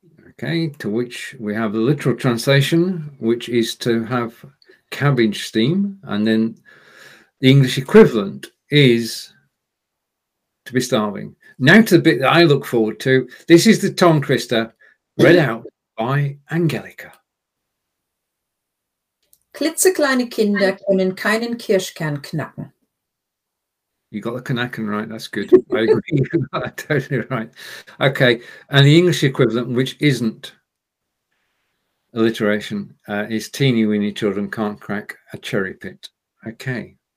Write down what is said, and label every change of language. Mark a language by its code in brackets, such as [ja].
[en] Okay, to which we have a literal translation, which is to have cabbage steam. And then the English equivalent is to be starving. Now to the bit that I look forward to. This is the tongue twister read out by Angelica. [de] Klitzekleine Kinder können keinen Kirschkern knacken. [en] You got the knacken right. That's good. I agree. Totally right. Okay. And the English equivalent, which isn't alliteration, is teeny weeny children can't crack a cherry pit. Okay.